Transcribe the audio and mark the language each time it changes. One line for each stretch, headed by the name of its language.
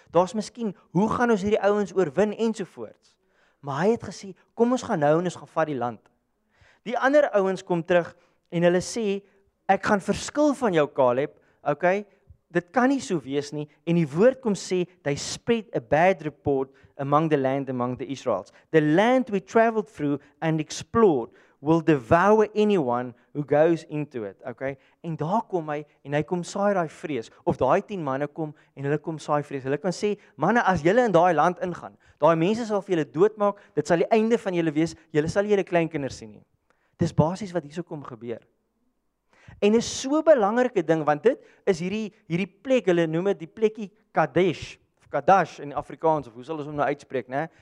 Afrikaans: Daar's miskien, hoe gaan ons hierdie ouens oorwin ensovoorts. Maar hy het gesê, kom ons gaan nou en ons gaan vat die land. Die ander ouens kom terug en hulle sê, ek gaan verskil van jou Caleb. Okay, dit kan nie so wees nie. En die woord kom sê,
English: they spread a bad report among the land among the Israelites. The land we traveled through and explored will devour anyone who goes into it. Okay?
Afrikaans: En daar kom hy en hy kom saai daai vrees. Of daai 10 manne kom en hulle kom saai vrees. Hulle kan sê, manne, as julle in daai land ingaan, daai mense sal vir julle doodmaak. Dit sal die einde van julle wees. Julle sal julle kleinkinders sien nie. Dis basies wat hierso kom gebeur. En is so belangrike ding want dit is hierdie plek, hulle noem dit die plekkie Kadesh, of Kadash in Afrikaans of hoe sal ons hom nou uitspreek, né?